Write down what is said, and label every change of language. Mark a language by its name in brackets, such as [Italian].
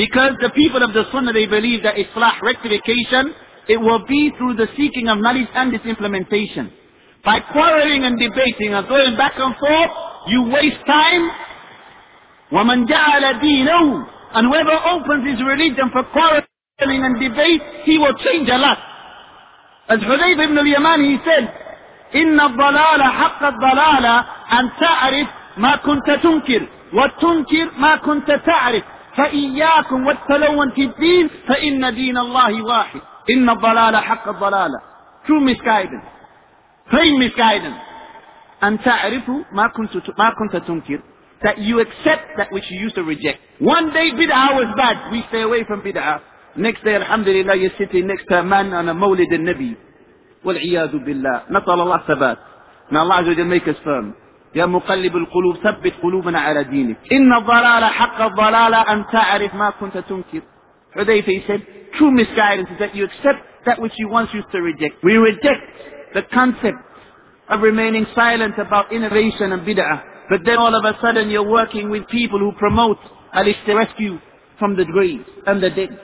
[English] Because the people of the Sunnah, they believe that Islah, rectification, it will be through the seeking of knowledge and its implementation. By quarreling and debating and going back and forth, you waste time. [Arabic] وَمَنْ جَعَلَ دِينَهُ, [English] and whoever opens his religion for quarreling and debate, he will change a lot. As Hudayb ibn al-Yaman, he said, [Arabic] إِنَّ الضَّلَالَ حَقَّ الضَّلَالَ أَنْ تَعْرِفْ مَا كُنْتَ تُنْكِرْ وَتُنْكِرْ مَا كُنْتَ تَعْرِفْ فَإِيَّاكُمْ وَالتَّلَوَّنْ فِي الدِّينِ فَإِنَّ دِينَ اللَّهِ وَاحِدْ إِنَّ الضَّلَالَ حَقَّ الضَّلَالَ. [English] True misguidance, plain misguidance. [Arabic] أَنْ تَعْرِفُ مَا كُنْتَ تُنْكِرْ, [English] that you accept that which you used to reject. One day bid'ah was bad, we stay away from bid'ah. Next day, alhamdulillah, you're sitting next to a man on a mawlid al-Nabi. [Arabic] والعياذ بالله نسأل الله الثبات. [English] May Allah Azza wa Jalla make us firm. [Arabic] يا مقلب القلوب ثبت قلوبنا على دينك. إن الضلال حق الضلال أن تعرف ما كنت تنكر. [English] Hudayfa said, true misguidance is that you accept that which you once used to reject. We reject the concept of remaining silent about innovation and bid'ah. But then all of a sudden you're working with people who promote al-ishti rescue from the grave and the dead.